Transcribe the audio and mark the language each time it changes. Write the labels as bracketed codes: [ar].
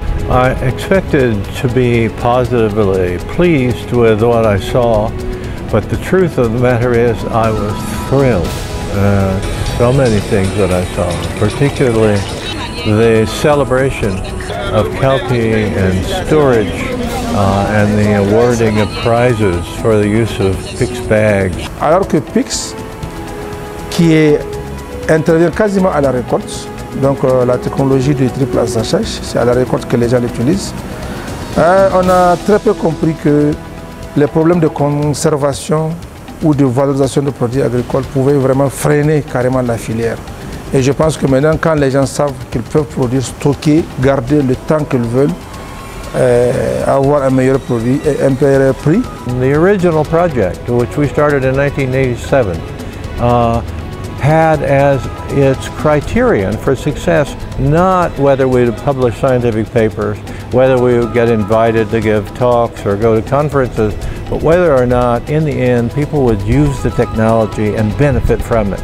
[en] I expected to be positively pleased with what I saw, but the truth of the matter is I was thrilled. So many things that I saw, particularly the celebration of cowpea and storage and the awarding of prizes for the use of PICS bags. [fr] Alors que PICS, qui intervient quasiment à la récolte, donc la technologie du triple assachage, c'est à la récolte que les gens l'utilisent, on a très peu compris que les problèmes de conservation ou de valorisation de produits agricoles pouvaient vraiment freiner carrément la filière. Et je pense que maintenant, quand les gens savent qu'ils peuvent produire, stocker, garder le temps qu'ils veulent, avoir un meilleur produit et un meilleur prix. [en] The original project, which we started in 1987, had as its criterion for success not whether we would publish scientific papers, whether we would get invited to give talks or go to conferences, but whether or not, in the end, people would use the technology and benefit from it.